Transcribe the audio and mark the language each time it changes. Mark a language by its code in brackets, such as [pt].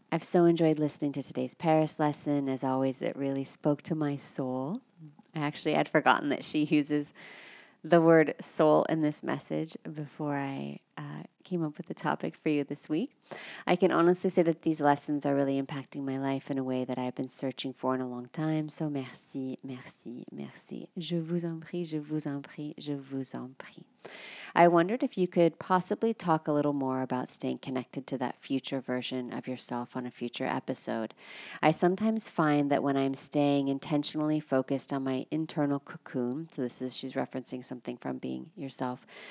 [en] I've so enjoyed listening to today's Paris lesson. As always, it really spoke to my soul. I actually had forgotten that she uses the word soul in this message before I came up with the topic for you this week. I can honestly say that these lessons are really impacting my life in a way that I've been searching for in a long time. [fr] So merci, merci, merci. Je vous en prie, je vous en prie, je vous en prie. [en] I wondered if you could possibly talk a little more about staying connected to that future version of yourself on a future episode. I sometimes find that when I'm staying intentionally focused on my internal cocoon, so this is, she's referencing something from Being Yourself.